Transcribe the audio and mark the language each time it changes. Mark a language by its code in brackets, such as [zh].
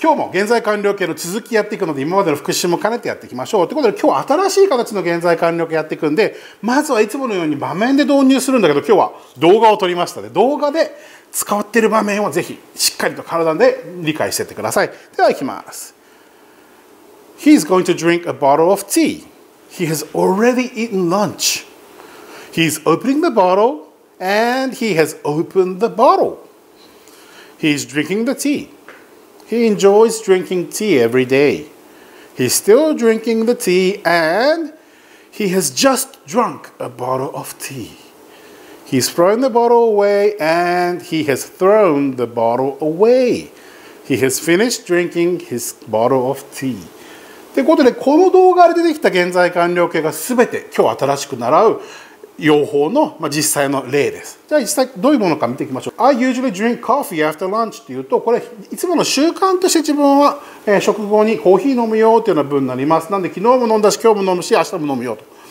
[ja] 今日も現在完了形の続きやっていくので、今までの復習も兼ねてやっていきましょう。ということで、今日は新しい形の現在完了形やっていくんで、まずはいつものように場面で導入するんだけど、今日は動画を撮りましたね。動画で使っている場面をぜひしっかりと体で理解していってください。では行きます。 [en] He's going to drink a bottle of tea. He has already eaten lunch. He's opening the bottle and he has opened the bottle. He's drinking the tea. He enjoys drinking tea every day. He's still drinking the tea and he has just drunk a bottle of tea. He's throwing the bottle away and he has thrown the bottle away. He has finished drinking his bottle of tea. [ja] ということで、この動画で出てきた現在完了形がすべて今日新しく習う用法の、まあ、実際の例です。じゃあ実際どういうものか見ていきましょう。 [en] I usually drink coffee after lunch [ja] っていうと、これいつもの習慣として自分は、食後にコーヒー飲むよっていうような文になります。なんで昨日も飲んだし今日も飲むし明日も飲むよと。